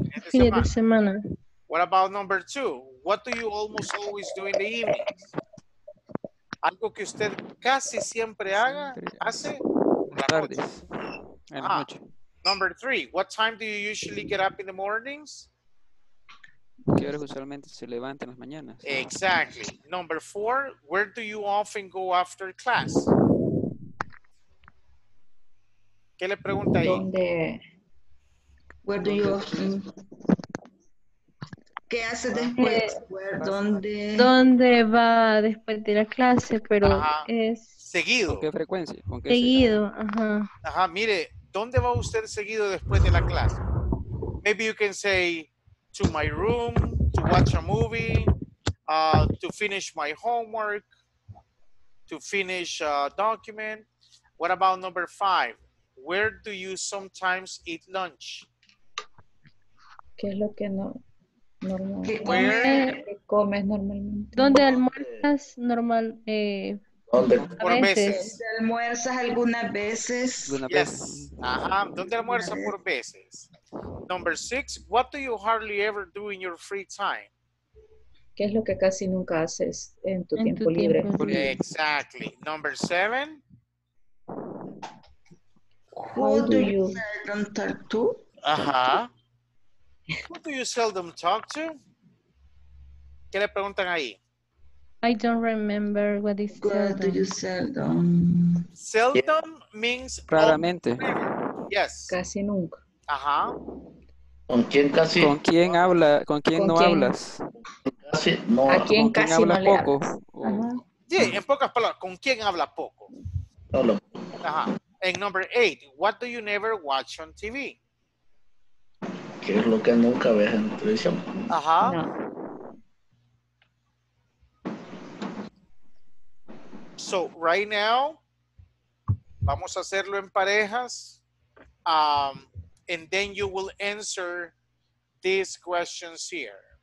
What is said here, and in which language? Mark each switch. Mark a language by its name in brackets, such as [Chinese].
[Spanish] Fin de semana. [English] What about number two? What do you almost always do in the evening? [Spanish] Algo que usted casi siempre haga, hace. Tardes. Ah, [English] number three. What time do you usually get up in the mornings? [Spanish] ¿Qué hora usualmente se levanta en las mañanas? [English] Exactly. Number four, where do you often go after class? [Spanish] ¿Qué le pregunta ahí? ¿Dónde? [English] Where do you often? [Spanish] ¿Qué hace después? ¿Dónde? ¿Dónde va después de la clase? Pero ajá. Es... ¿Seguido? ¿Con qué frecuencia? ¿Con qué seguido? Ajá. Ajá, mire, ¿dónde va usted seguido después de la clase? [English] Maybe you can say... To my room, to watch a movie, to finish my homework, to finish a document. What about number five? Where do you sometimes eat lunch? [Spanish] ¿Qué es lo que no, normalmente? [English] Where? [Spanish] ¿Qué comes normalmente? ¿Dónde almuerzas normal? Por veces. ¿Almuerzas algunas veces? Yes. Ajá. ¿Dónde almuerzas por veces? [English] Number six, what do you hardly ever do in your free time? [Spanish] ¿Qué es lo que casi nunca haces en tu tiempo libre? [English] Exactly. Number seven. Who do you seldom talk to? Uh-huh. Who do you seldom talk to? [Spanish] ¿Qué le preguntan ahí? [English] I don't remember what is good seldom. Do you seldom? Seldom means [Spanish] raramente. [English] Open. Yes. [Spanish] Casi nunca. Ajá. ¿Con quién casi? ¿Con quién habla? ¿Con quién no hablas? Casi no. ¿A quién casi no hablas poco? Sí, en pocas palabras, ¿con quién habla poco? Solo. Ajá. [English] En number eight, what do you never watch on TV? [Spanish] ¿Qué es lo que nunca ves en televisión? Ajá. No. [English] So, right now, [Spanish] vamos a hacerlo en parejas. [English] And then you will answer these questions here.